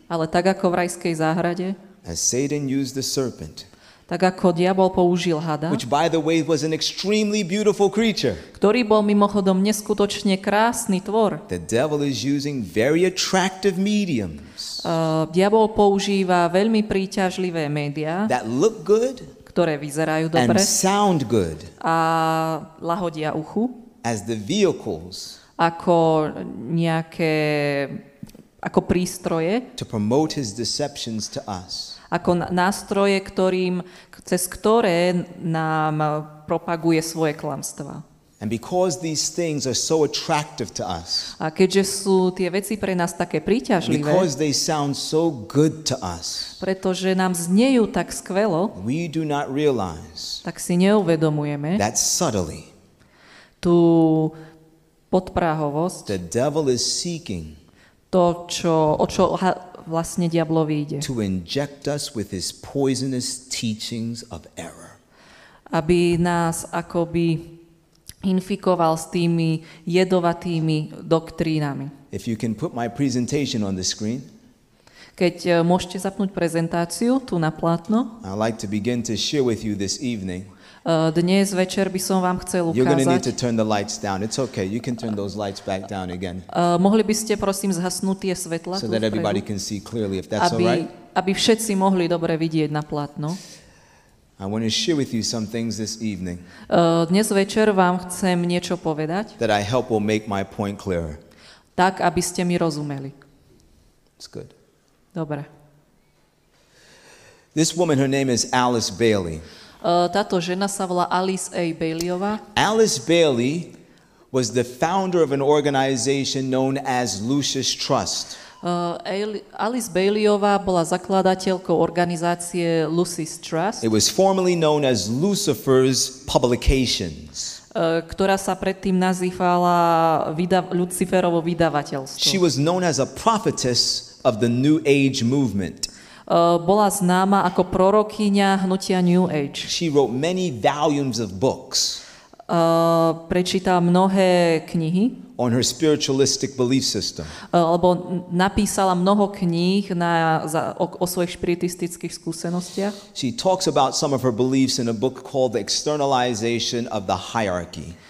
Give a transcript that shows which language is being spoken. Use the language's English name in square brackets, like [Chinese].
[Slovak] Ale tak ako v rajskej záhrade. [English] As Satan used the serpent. [Slovak] Tak ako diabol použil hada. [English] Which by the way was an extremely beautiful creature. [Slovak] Ktorý bol mimochodom neskutočne krásny tvor. [English] The devil is using very attractive mediums. [Slovak] Diabol používa veľmi príťažlivé médiá. [English] That look good. [Slovak] Ktoré vyzerajú dobre. [English] And sound good. [Slovak] A lahodia uchu. [English] As the vehicles. [Slovak] Ako nejaké ako prístroje. [English] To promote his deceptions to us. [Slovak] Ako nástroje, ktorým cez ktoré nám propaguje svoje klamstva. [English] And because these things are so attractive to us. [Slovak] A keďže sú tie veci pre nás také príťažlivé. [English] Because they sound so good to us. [Slovak] Pretože nám zniejú tak skvelo. [English] We do not realize. [Slovak] Tak si neuvedomujeme. [English] That subtly. [Slovak] Tú podprahovosť. [English] The devil is seeking. [Slovak] To, čo, o čo vlastne diablovi ide. [English] To inject us with his poisonous teachings of error. [Slovak] Aby nás akoby infikoval s tými jedovatými doktrínami. [English] If you can put my presentation on the screen. [Slovak] Keď môžete zapnúť prezentáciu tu na plátno. [English] I'd like to begin to share with you this evening. [Slovak] Dnes večer by som vám chcel ukázať. [English] You're going to need to turn the lights down. It's okay. You can turn those lights back down again. [Slovak] Mohli by ste prosím zhasnúť tie svetla? [English] So that everybody can see clearly, if that's all right. [Slovak] Aby všetci mohli dobre vidieť na plátno. [English] I want to share with you some things this evening. [Slovak] Dnes večer vám chcem niečo povedať. [English] That I hope will make my point clearer. [Slovak] Tak, aby ste mi rozumeli. [English] It's good. [Slovak] Dobre. [English] This woman, her name is Alice Bailey. [Slovak] Táto žena sa volá Alice A. Baileyová. [English] Alice Bailey was the founder of an organization known as Lucius Trust. [Slovak] Alice Baileyová bola zakladateľkou organizácie Lucius Trust. [English] It was formerly known as Lucifer's Publications. [Slovak] Ktorá sa predtým nazývala Luciferovo vydavateľstvo. [English] She was known as a prophetess of the New Age movement. [Slovak] Bola známa ako prorokyňa hnutia New Age. [English] She wrote many volumes of books. [Slovak] Prečítala mnohé knihy. [English] On her spiritualistic belief system. [Slovak] Alebo napísala mnoho kníh o svojich spiritistických skúsenostiach. [English] She talks about some of her beliefs in a book called The Externalization of the Hierarchy.